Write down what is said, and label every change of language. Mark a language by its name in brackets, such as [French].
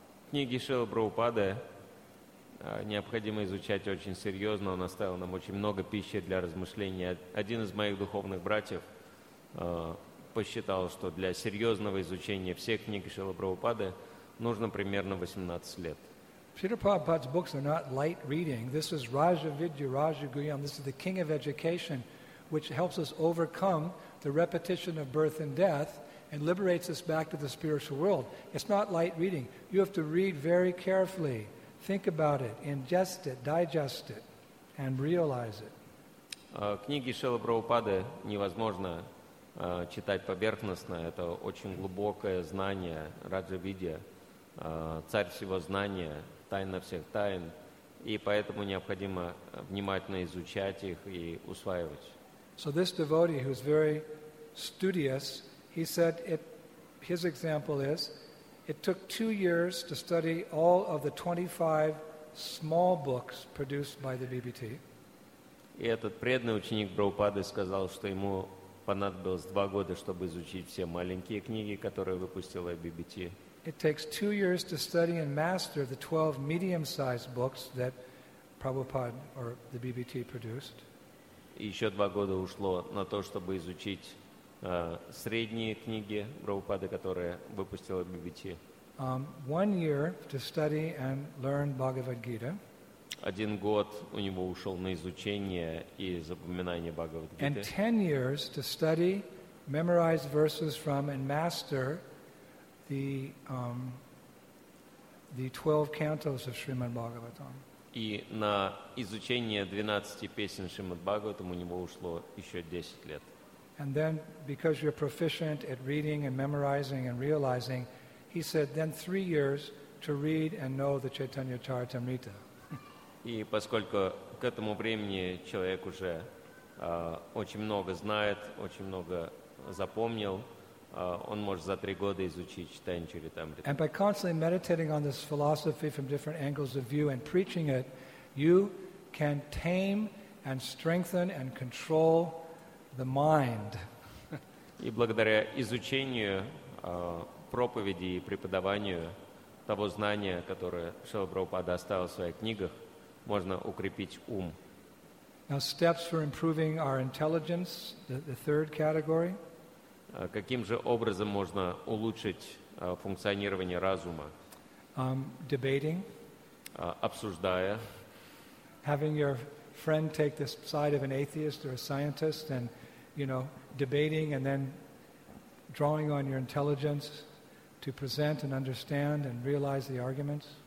[Russian] Книги Шрилы Прабхупады необходимо изучать очень серьезно. Он оставил нам очень много пищи для размышления. Один из моих духовных братьев посчитал, что для серьезного изучения всех книг Шрилы Прабхупады нужно примерно 18 лет. [English] Śrīla Prabhupāda's books are not light reading. This is Raja Vidya, Raja Guyam. This is the king of education, which helps us overcome the repetition of birth and death and liberates us back to the spiritual world. It's not light reading. You have to read very carefully, think about it, ingest it, digest it, and realize it. [Russian] Книги Шрилы Прабхупады невозможно читать поверхностно. Это очень глубокое знание, Раджа-видья, царь всего знания, тайна всех тайн. И поэтому необходимо внимательно изучать их и усваивать. [English] So this devotee, who's very studious, he said, his example is, it took 2 years to study all of the 25 small books produced by the BBT. [Russian] И этот преданный ученик Прабхупады сказал, что ему понадобилось 2 года, чтобы изучить все маленькие книги, которые выпустила BBT. [English] It takes 2 years to study and master the 12 medium-sized books that Prabhupada or the BBT produced. [Russian] И еще 2 года ушло на то, чтобы изучить средние книги Прабхупады, которые выпустила BBT. [English] 1 year to study and learn Bhagavad Gita. [Russian] 1 год у него ушел на изучение и запоминание Бхагавад Гиты. [English] And 10 years to study, memorize verses from and master the 12 cantos of Srimad Bhagavatam. [Russian] И на изучение 12 песен Шримад Бхагаватам у него ушло еще 10 лет. [English] And then, because you're proficient at reading and memorizing and realizing, he said, then 3 years to read and know the Chaitanya Charitamrita. [Russian] И поскольку к этому времени человек уже очень много знает, очень много запомнил, он может за 3 года изучить Chaitanya Charitamrita. [English] And by constantly meditating on this philosophy from different angles of view and preaching it, you can tame and strengthen and control the mind. [Russian] И благодаря изучению проповеди и преподаванию того знания, которое Шрила Прабхупада оставил в своих книгах, можно укрепить ум. [English] Now, steps for improving our intelligence, the third category. [Russian] Каким же образом можно улучшить функционирование разума? [English] Debating. [Russian] Обсуждая. [English] Having your friend take the side of an atheist or a scientist and, you know, debating and then drawing on your intelligence to present and understand and realize the arguments.